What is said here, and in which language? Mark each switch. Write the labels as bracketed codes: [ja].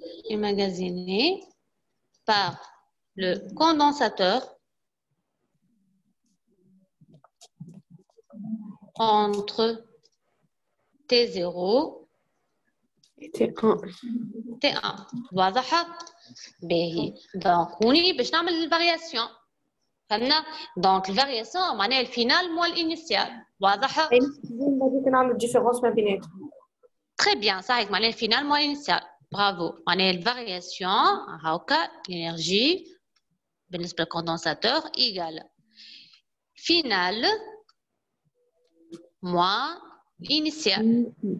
[fr] emmagasiné par le condensateur entre T0 et T1. [ar] T1. واضحة؟ باهي. دونك هوني باش نعمل الفاريسيون. فهمنا؟ دونك الفاريسيون معناها الفينال مو الانيسيال. واضحة؟ نعمل الديفيرونس ما بيناتهم. [fr] Très bien, ça arrive. Maintenant, finalement, initial. Bravo. Maintenant, la variation, l'énergie, le condensateur, égale final moins initial.